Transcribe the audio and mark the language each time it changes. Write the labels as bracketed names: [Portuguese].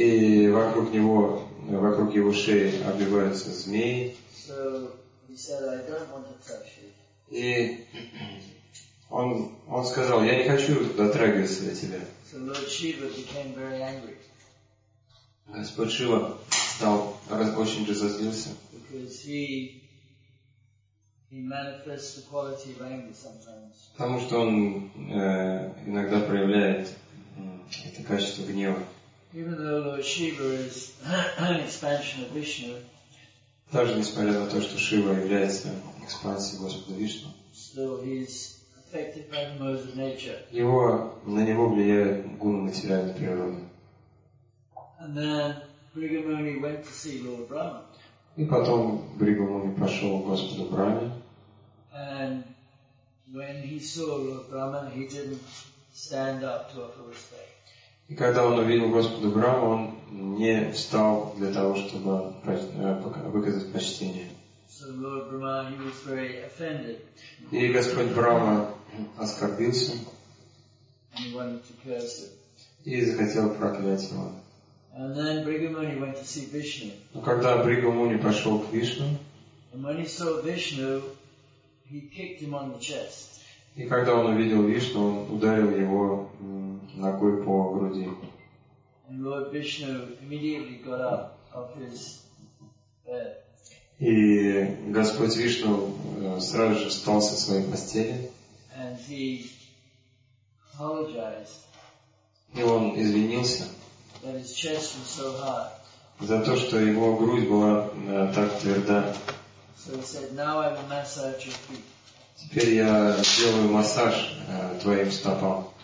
[Russian] И вокруг него, вокруг его шеи обвиваются змеи. [English] So he said, I don't want to touch you. [Russian] И он сказал, я не хочу дотрагиваться до тебя. [English] So Lord Shiva became very angry. [Russian] Господь Шива стал очень разозлился. [English] Because he manifests the quality of anger sometimes. [Russian] Потому что он иногда проявляет это качество гнева. [English] Even though Lord Shiva is an expansion of Vishnu. [Russian] Даже несмотря на то, что Шива является экспансией Господа Вишну. [English] Still he is affected by the modes of nature. [Russian] Его, на него влияют гуны материальной природы. [English] And then Bhrigu Muni went to see Lord Brahma. [Russian] И потом Бригу Муни пошел к Господу Брахме. [English] And when he saw Lord Brahma, he didn't stand up to offer respect. [Russian] И когда он увидел Господа Брахму, он не встал для того, чтобы выказать почтение. [English] So Lord Brahma, he was very offended. [Russian] И Господь Брахма оскорбился. [English] And he wanted to curse him. [Russian] И захотел проклять его. [English] And then Bhrigu Muni went to see Vishnu. [Russian] Но когда Бригу Муни пошел к Вишну, [English] and when he saw Vishnu, he kicked him on the chest. [Russian] И когда он увидел Вишну, он ударил его ногой по груди. [English] And Lord Vishnu immediately got up off his bed. [Russian] И Господь Вишну сразу же встал со своей постели. [English] And he apologized. [Russian] И он извинился. [English] That his chest was so hard. [Russian] За то, что его грудь была так тверда. [English] So he said, now I will massage your feet. [Russian] Теперь я сделаю массаж твоим стопам.